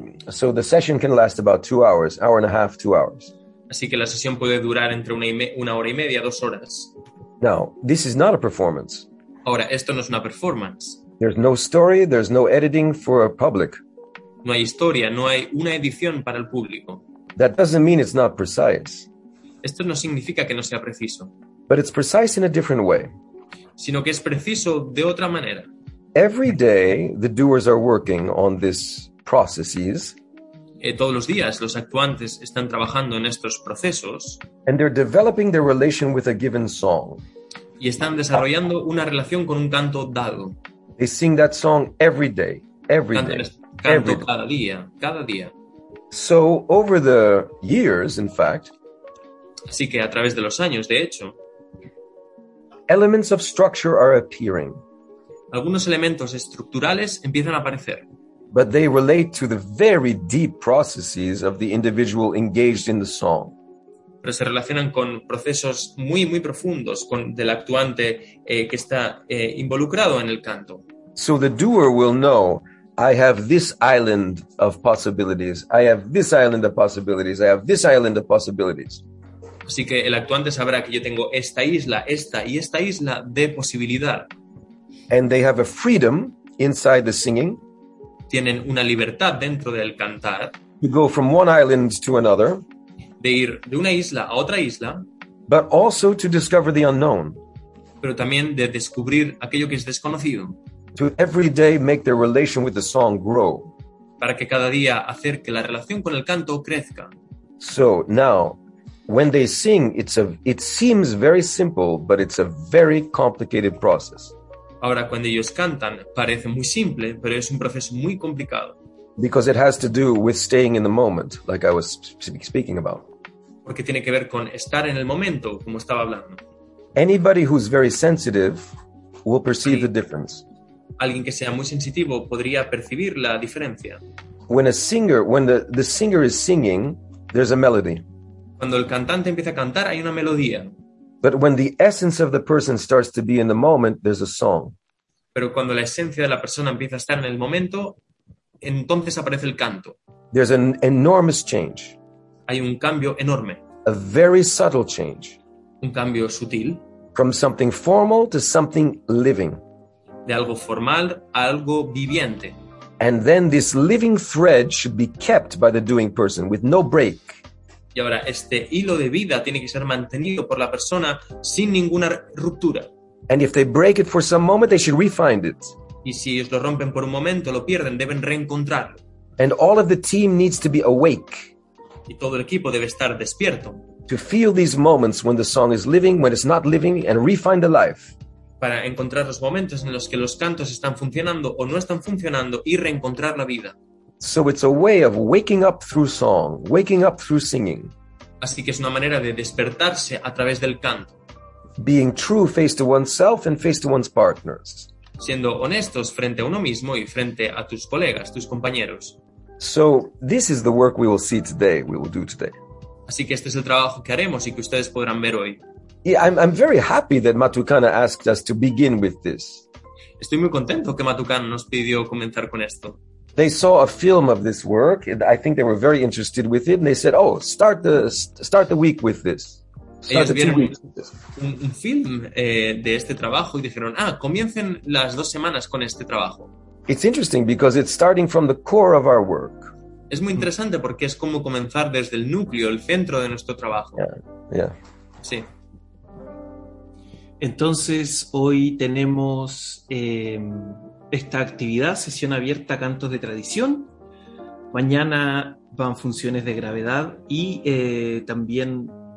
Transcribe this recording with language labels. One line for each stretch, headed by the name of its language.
English: So the session can last about 2 hours, hour and a half, 2 hours.
Spanish: Así que la sesión puede durar entre una hora y media, 2 horas.
English: Now, this is not a performance.
Spanish: Ahora, esto no es una performance.
English: There's no story, there's no editing for a public.
Spanish: No hay historia, no hay una edición para el público.
English: That doesn't mean it's not precise.
Spanish: Esto no significa que no sea preciso.
English: But it's precise in a different way.
Spanish: Sino que es preciso de otra manera.
English: Every day, the doers are working on these processes.
Spanish: Todos los días, los actuantes están trabajando en estos procesos.
English: And they're developing their relation with a given song.
Spanish: Y están desarrollando una relación con un canto dado.
English: They sing that song every day, every day.
Spanish: Canto cada día, cada día.
English: So, over the years, in fact,
Spanish: así que a través de los años, de hecho,
English: elements of structure are appearing.
Spanish: Algunos elementos estructurales empiezan a aparecer.
English: But they relate to the very deep processes of the individual engaged in the song.
Spanish: Pero se relacionan con procesos muy, muy profundos con del actuante que está involucrado en el canto.
English: So the doer will know, I have this island of possibilities, I have this island of possibilities, I have this island of possibilities.
Spanish: Así que el actuante sabrá que yo tengo esta isla, esta y esta isla de posibilidad.
English: And they have a freedom inside the singing.
Spanish: Tienen una libertad dentro del cantar.
English: To go from one island to another.
Spanish: De ir de una isla a otra isla.
English: But also to discover the unknown.
Spanish: Pero también de descubrir aquello que es desconocido.
English: To every day make their relation with the song grow.
Spanish: Para que cada día hacer que la relación con el canto crezca.
English: So now, when they sing, it seems very simple, but it's a very complicated process.
Spanish: Ahora, cuando ellos cantan, parece muy simple, pero es un proceso muy complicado.
English: Because it has to do with staying in the moment, like I was speaking about.
Spanish: Porque tiene que ver con estar en el momento, como estaba hablando.
English: Anybody who's very sensitive will perceive the difference.
Spanish: Alguien que sea muy sensitivo podría percibir la diferencia.
English: When the singer is singing, there's a melody.
Spanish: Cuando el cantante empieza a cantar, hay una melodía.
English: But when the essence of the person starts to be in the moment, there's a song.
Spanish: Pero cuando la esencia de la persona empieza a estar en el momento, entonces aparece el canto.
English: There's an enormous change.
Spanish: Hay un cambio enorme.
English: A very subtle change.
Spanish: Un cambio sutil.
English: From something formal to something living.
Spanish: De algo formal a algo viviente.
English: And then this living thread should be kept by the doing person with no break.
Spanish: Y ahora, este hilo de vida tiene que ser mantenido por la persona sin ninguna ruptura.
English: And if they break it for some moment, they should refind it.
Spanish: Y si ellos lo rompen por un momento, lo pierden, deben reencontrarlo.
English: And all of the team needs to be awake.
Spanish: Y todo el equipo debe estar despierto.
English: To feel these moments when the song is living, when it's not living, and refind the life.
Spanish: Para encontrar los momentos en los que los cantos están funcionando o no están funcionando y reencontrar la vida.
English: So it's a way of waking up through song, waking up through singing.
Spanish: Así que es una manera de despertarse a través del canto.
English: Being true face to oneself and face to one's partners.
Spanish: Siendo honestos frente a uno mismo y frente a tus colegas, tus compañeros.
English: So this is the work we will do today.
Spanish: Así que este es el trabajo que haremos y que ustedes podrán ver hoy.
English: Yeah, I'm very happy that Matucana asked us to begin with this.
Spanish: Estoy muy contento que Matucana nos pidió comenzar con esto.
English: They saw a film of this work, and I think they were very interested with it, and they said, oh, start the week with this.
Spanish: Ellos vieron un film de este trabajo y dijeron, ah, comiencen las 2 semanas con este trabajo.
English: It's interesting because it's starting from the core of our work.
Spanish: Es muy interesante porque es como comenzar desde el núcleo, el centro de nuestro trabajo.
English: Yeah.
Spanish: Sí. Entonces, hoy tenemos esta actividad, sesión abierta, cantos de tradición. Mañana van funciones de gravedad y también